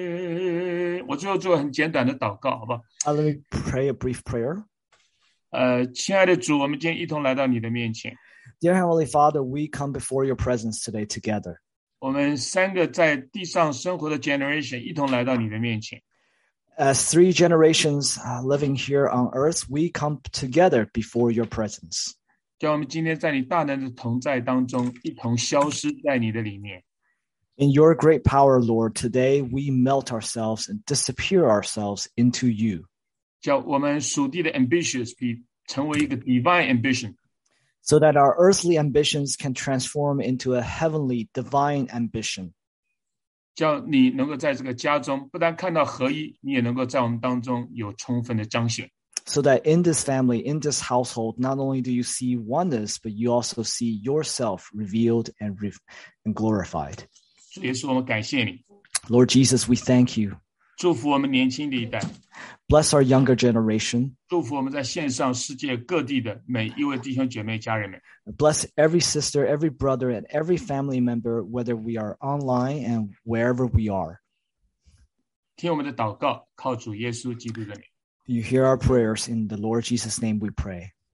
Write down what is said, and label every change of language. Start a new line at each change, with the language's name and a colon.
Chinese: 我只想是你之力，吸引我紧跟进亲爱主，直至你流血身边，吸引我紧跟进，跟进亲爱主，直至你同在中间。我最后做很简短的祷告，好吧？
English: Let me pray a brief prayer.
Chinese: 亲爱的主，我们今天一同来到你的面前。
English: Dear Heavenly Father, we come before your presence today together.
Chinese: 我们三个在地上生活的 generation 一同来到你的面前。
English: As three generations living here on earth, we come together before your presence.
Chinese: 叫我们今天在你大能的同在当中，一同消失在你的里面。
English: In your great power, Lord, today we melt ourselves and disappear ourselves into you.
Chinese: 叫我们属地的 ambitious 成为一个
English: divine ambition. So that our earthly ambitions can transform into a heavenly divine ambition.
Chinese: 叫你能够在这个家中，不但看到合一，你也能够在我们当中有充分的彰显。
English: So that in this family, in this household, not only do you see oneness, but you also see yourself revealed and glorified.
Chinese: 主耶稣，我们感谢你。
English: Lord Jesus, we thank you.
Chinese: 祝福我们年轻的一代。
English: Bless our younger generation.
Chinese: 祝福我们在线上世界各地的每一位弟兄姐妹家人们。
English: Bless every sister, every brother, and every family member, whether we are online and wherever we are.
Chinese: 听我们的祷告，靠主耶稣基督的名。
English: You hear our prayers in the Lord Jesus' name we pray.